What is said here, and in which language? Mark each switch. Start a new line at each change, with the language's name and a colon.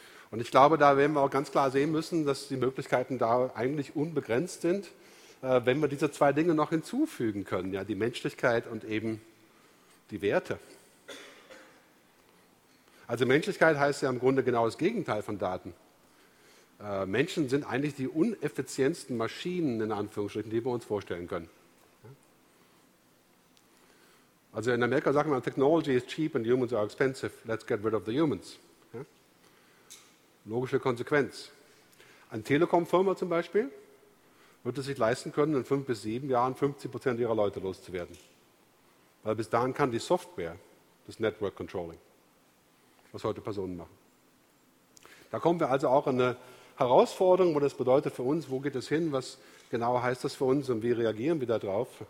German: Und ich glaube, da werden wir auch ganz klar sehen müssen, dass die Möglichkeiten da eigentlich unbegrenzt sind, wenn wir diese zwei Dinge noch hinzufügen können, ja, die Menschlichkeit und eben die Werte. Also Menschlichkeit heißt ja im Grunde genau das Gegenteil von Daten. Menschen sind eigentlich die uneffizientsten Maschinen, in Anführungsstrichen, die wir uns vorstellen können. Also in Amerika sagt man,
English: Technology is cheap and humans are expensive. Let's get rid of the humans.
German: Ja? Logische Konsequenz. Eine Telekom-Firma zum Beispiel wird es sich leisten können, in 5 bis 7 Jahren 50% ihrer Leute loszuwerden. Weil bis dahin kann die Software das Network Controlling, was heute Personen machen. Da kommen wir also auch in eine Herausforderung, wo das bedeutet für uns, wo geht es hin, was genau heißt das für uns und wie reagieren wir da drauf?